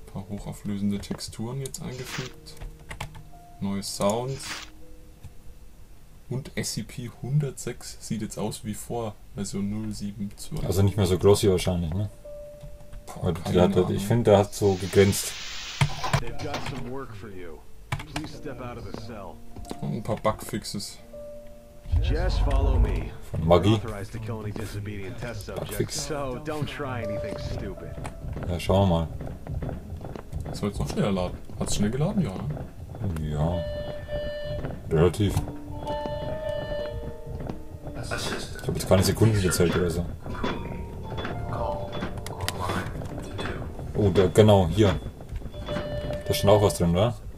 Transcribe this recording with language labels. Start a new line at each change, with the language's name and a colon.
German: Hochauflösende Texturen jetzt eingefügt, neue Sounds und SCP-106 sieht jetzt aus wie vor, also 072. Also nicht mehr so glossy wahrscheinlich, ne? Boah, keine Ahnung. Ich finde, der hat so geglänzt.
English: They've got some work for you. Please step out of the cell.
German: Und ein paar Bugfixes.
English: Just follow me.
German: Von Muggy.
English: Authorized to kill any disobedient test subjects. So don't try anything stupid.
German: Ja, schauen wir mal. Soll jetzt noch schneller laden? Hat es schnell geladen? Ja, ne? Ja. Relativ. Ich habe jetzt keine Sekunden gezählt oder so. Oh, da, genau, hier. Da stand auch was drin, oder?